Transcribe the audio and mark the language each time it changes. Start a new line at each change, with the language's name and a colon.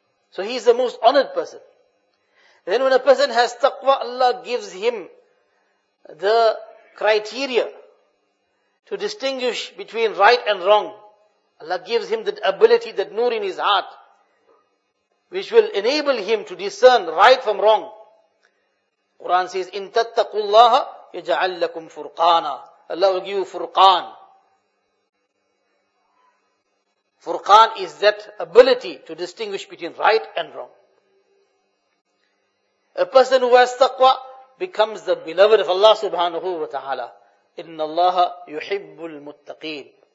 English: So he is the most honored person. Then when a person has taqwa, Allah gives him the criteria to distinguish between right and wrong. Allah gives him that ability, that nur in his heart, which will enable him to discern right from wrong. Quran says,
Arabic: إِن تَتَّقُوا اللَّهَ يَجَعَلْ لَكُمْ فُرْقَانًا.
English: Allah will give you furqan. Furqan is that ability to distinguish between right and wrong. A person who has taqwa becomes the beloved of Allah subhanahu wa ta'ala.
Arabic: إِنَّ اللَّهَ يُحِبُّ الْمُتَّقِينَ.